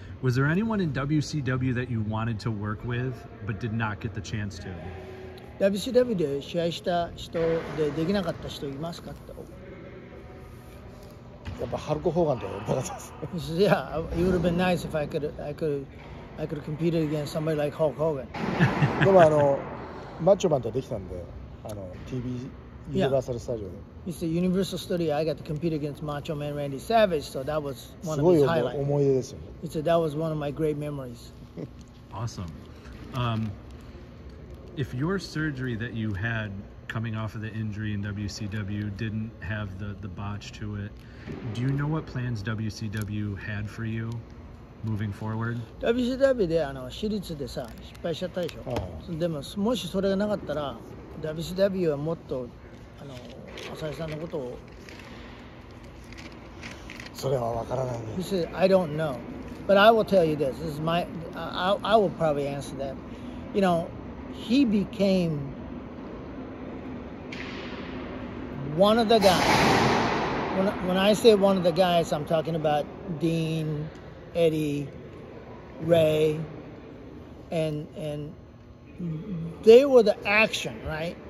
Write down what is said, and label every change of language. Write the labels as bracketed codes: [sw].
[en] Was there anyone in WCW that you wanted to work with but did not get the chance to? [ja] WCW で試合した人でできなかった人いますかって。やっぱハルコ・ホーガンとかだったんです。 [en] いや、it would have been nice if I could compete against somebody like Hulk Hogan. [ja] でもあの、マッチョマンとできたんで、あの、TV、ユニバーサルスタジオで。 [en] He said, Universal Studio, I got to compete against Macho Man Randy Savage, so that was one of his highlights. [ja] すごい思い出ですよね。 [en] He said, that was one of my great memories. Awesome. If your surgery that you had coming off of the injury in WCW didn't have the botch to it,Do you know what plans WCW had for you moving forward? [ja] WCW であの私立でさ失敗しちゃったでしょ。 Oh. でももしそれがなかったら WCW はもっとあの浅井さんのことをそれはわからないね。 [en] He said, I don't know, but I will tell you this. This is my I will probably answer that. You know, he became one of the guys. When I say one of the guys, I'm talking about Dean, Eddie, Ray, and they were the action, right?